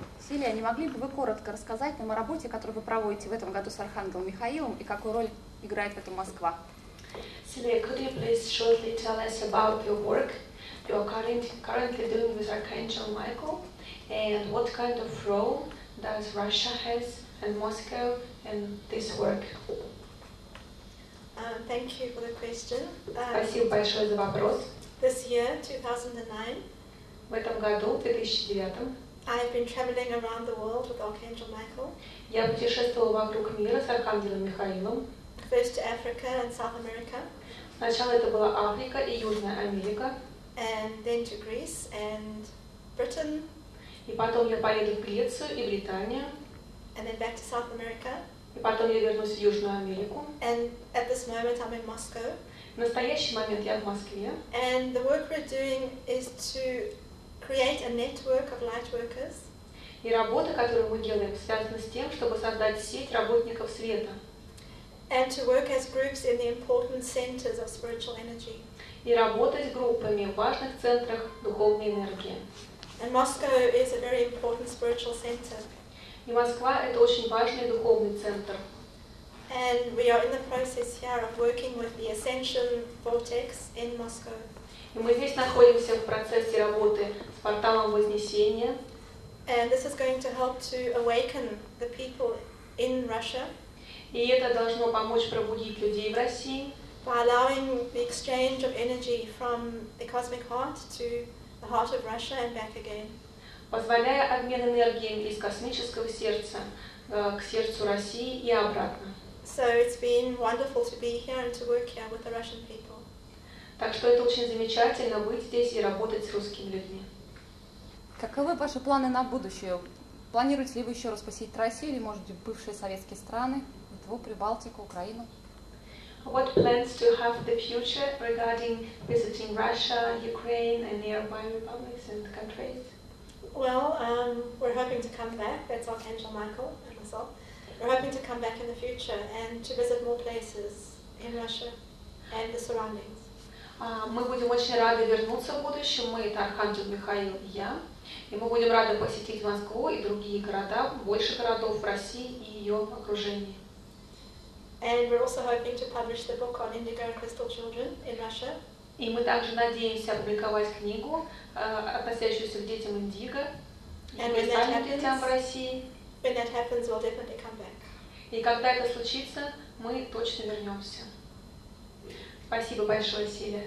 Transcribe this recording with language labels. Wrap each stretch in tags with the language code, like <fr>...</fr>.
<ru>Илья, не могли бы вы коротко рассказать нам о работе, которую вы проводите в этом году с Архангелом Михаилом, и какую роль играет в этом Москва?</ru> <en>Silvia, could you please shortly tell us about your work you are currently doing with Archangel Michael, and what kind of role does Russia has and Moscow in this work? Thank you for the question.</en> <ru>Спасибо большое за вопрос.</ru> <en>This year, 2009.</en> <ru>В этом году, 2009.</ru> <en>I've been traveling around the world with Archangel Michael.</en> <ru>Я путешествовала вокруг мира с Архангелом Михаилом.</ru> <en>First to Africa and South America.</en> <ru>Сначала это была Африка и Южная Америка.</ru> <en>And then to Greece and Britain.</en> <ru>И потом я поеду в Грецию и Британию.</ru> <en>And then back to South America.</en> <ru>И потом я вернусь в Южную Америку.</ru> <en>And at this moment I'm in Moscow.</en> <ru>В настоящий момент я в Москве.</ru> <en>And the work we're doing is to create a network of light workers.</en> <ru>И работа, которую мы делаем, связана с тем, чтобы создать сеть работников света.</ru> <en>And to work as groups in the important centers of spiritual energy.</en> <ru>И работать группами в важных центрах духовной энергии.</ru> <en>And Moscow is a very important spiritual center.</en> <ru>И Москва — это очень важный духовный центр.</ru> <en>And we are in the process here of working with the ascension vortex in Moscow.</en> <ru>И мы здесь находимся в процессе работы с порталом Вознесения.</ru> <en>And this is going to help to awaken the people in Russia.</en> <ru>И это должно помочь пробудить людей в России.</ru> <en>By allowing the exchange of energy from the cosmic heart to the heart of Russia and back again.</en> <ru>Позволяя обмен энергией из космического сердца к сердцу России и обратно.</ru> <en>So it's been wonderful to be here and to work here with the Russian people.</en> <ru>Так что это очень замечательно быть здесь и работать с русскими людьми. Каковы ваши планы на будущее? Планируете ли вы еще раз посетить Россию или, может быть, бывшие советские страны, Литву, Прибалтику, Украину?</ru> <en>What plans do you have in the future regarding visiting Russia, Ukraine and nearby republics and countries? Well, we're hoping to come back. That's Archangel Michael and myself. We're hoping to come back in the future and to visit more places in Russia and the surroundings.</en> <ru>Мы будем очень рады вернуться в будущем. Мы — это Архангел Михаил и я. И мы будем рады посетить Москву и другие города, больше городов в России и ее окружении.</ru> <en>And we're also hoping to publish the book on Indigo and Crystal Children in Russia.</en> <ru>И мы также надеемся опубликовать книгу, относящуюся к детям Индиго и остальным детям в России.</ru> <en>When that happens, we'll definitely come back.</en> <ru>И когда это случится, мы точно вернемся. Спасибо большое, Силя.</ru>